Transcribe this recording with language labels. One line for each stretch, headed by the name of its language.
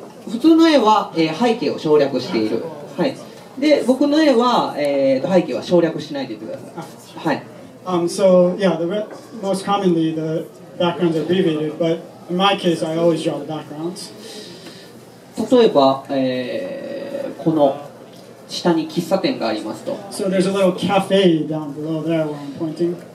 Japanese: 普通の絵は、背景を省略している。はい。で、僕の絵は、背景は省略しないでください。はい。
English: So yeah, the most commonly the backgrounds are abbreviated, but in my case, I always draw the backgrounds.
Japanese: 例えば、この下に喫茶店がありますと。
English: So there's a little cafe down below there where I'm pointing.